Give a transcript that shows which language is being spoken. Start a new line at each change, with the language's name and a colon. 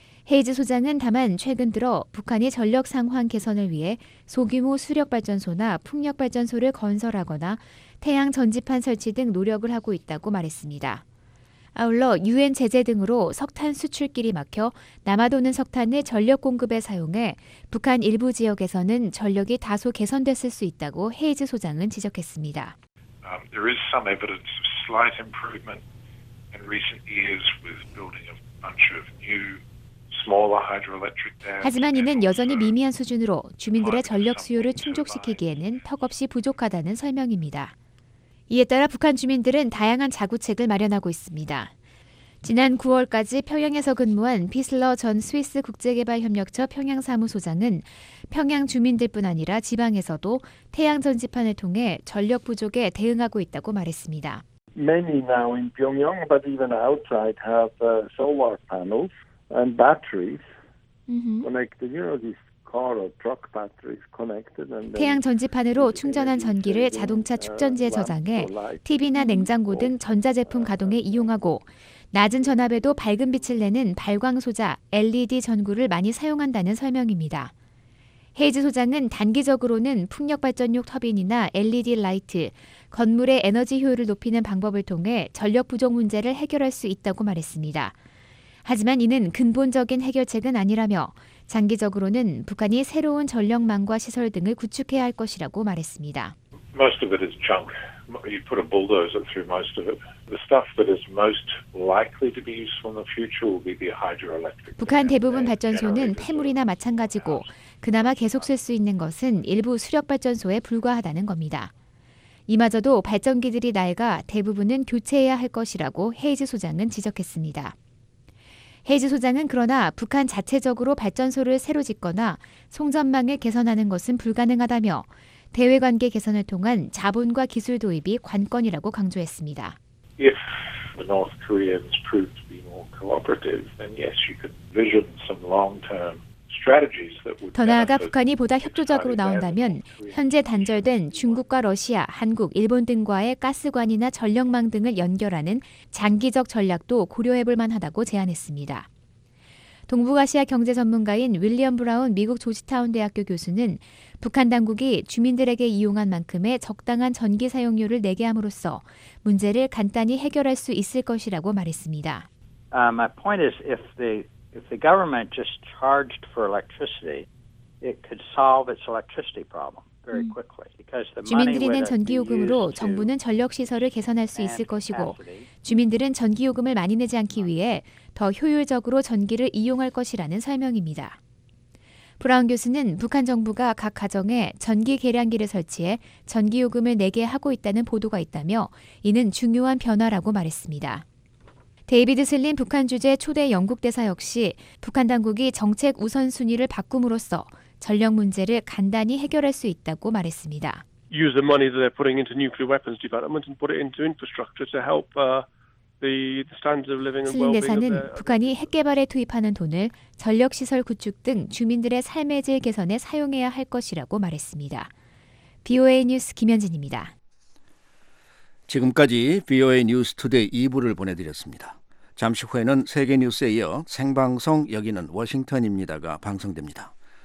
Korean: 헤이즈 소장은 다만 최근 들어 북한이 전력 상황 개선을 위해 소규모 수력발전소나 풍력발전소를 건설하거나 태양 전지판 설치 등 노력을 하고 있다고 말했습니다. 아울러 유엔 제재 등으로 석탄 수출길이 막혀 남아도는 석탄을 전력 공급에 사용해 북한 일부 지역에서는 전력이 다소 개선됐을 수 있다고 헤이즈 소장은 지적했습니다.
English: There is some evidence of slight improvement in recent years with building a bunch of new smaller hydroelectric dams.
Korean: 하지만 이는 여전히 미미한 수준으로 주민들의 전력 수요를 충족시키기에는 턱없이 부족하다는 설명입니다. 이에 따라 북한 주민들은 다양한 자구책을 마련하고 있습니다. 지난 9월까지 평양에서 근무한 피슬러 전 스위스 국제개발협력처 평양사무소장은 평양 주민들뿐 아니라 지방에서도 태양전지판을 통해 전력 부족에 대응하고 있다고 말했습니다.
English: Many now in Pyongyang, but even outside, have solar panels and batteries connected. You know, these car or truck batteries connected.
Korean: 태양 전지판으로 충전한 전기를 자동차 축전지에 저장해 TV나 냉장고 등 전자제품 가동에 이용하고 낮은 전압에도 밝은 빛을 내는 발광소자 LED 전구를 많이 사용한다는 설명입니다. 헤이즈 소장은 단기적으로는 풍력발전용 터빈이나 LED 라이트, 건물의 에너지 효율을 높이는 방법을 통해 전력 부족 문제를 해결할 수 있다고 말했습니다. 하지만 이는 근본적인 해결책은 아니라며 장기적으로는 북한이 새로운 전력망과 시설 등을 구축해야 할 것이라고 말했습니다.
English: Most of it is junk. You put a bulldozer through most of it. The stuff that is most likely to be useful in the future will be the hydroelectric.
Korean: 북한 대부분 발전소는 폐물이나 마찬가지고 그나마 계속 쓸 수 있는 것은 일부 수력 발전소에 불과하다는 겁니다. 이마저도 발전기들이 낡아 대부분은 교체해야 할 것이라고 헤이즈 소장은 지적했습니다. 헤이즈 소장은 그러나 북한 자체적으로 발전소를 새로 짓거나 송전망을 개선하는 것은 불가능하다며 대외관계 개선을 통한 자본과 기술 도입이 관건이라고 강조했습니다.
English: If the North Koreans prove to be more cooperative, then yes, you could envision some long-term strategies that would.
Korean: 더 나아가 북한이 보다 협조적으로 나온다면 현재 단절된 중국과 러시아, 한국, 일본 등과의 가스관이나 전력망 등을 연결하는 장기적 전략도 고려해볼 만하다고 제안했습니다. 동북아시아 경제 전문가인 윌리엄 브라운 미국 조지타운 대학교 교수는 북한 당국이 주민들에게 이용한 만큼의 적당한 전기 사용료를 내게 함으로써 문제를 간단히 해결할 수 있을 것이라고 말했습니다.
English: My point is if the government just charged for electricity, it could solve its electricity problem.
Korean: 주민들이낸 전기요금으로 정부는 전력시설을 개선할 수 있을 것이고 주민들은 전기요금을 많이 내지 않기 위해 더 효율적으로 전기를 이용할 것이라는 설명입니다. 브라운 교수는 북한 정부가 각 가정에 전기 계량기를 설치해 전기요금을 내게 하고 있다는 보도가 있다며 이는 중요한 변화라고 말했습니다. 데이비드 슬린 북한 주재 초대 영국 대사 역시 북한 당국이 정책 우선순위를 바꿈으로써 전력 문제를 간단히 해결할 수 있다고 말했습니다.
English: Use the money that they're putting into nuclear weapons development and put it into infrastructure to help the standards of living and well-being.
Korean: 슬린 대사는 북한이 핵 개발에 투입하는 돈을 전력 시설 구축 등 주민들의 삶의 질 개선에 사용해야 할 것이라고 말했습니다. VOA 뉴스 김현진입니다. 지금까지 VOA 뉴스 투데이 2부를 보내드렸습니다. 잠시 후에는 세계 뉴스에 이어 생방송 여기는 워싱턴입니다가 방송됩니다.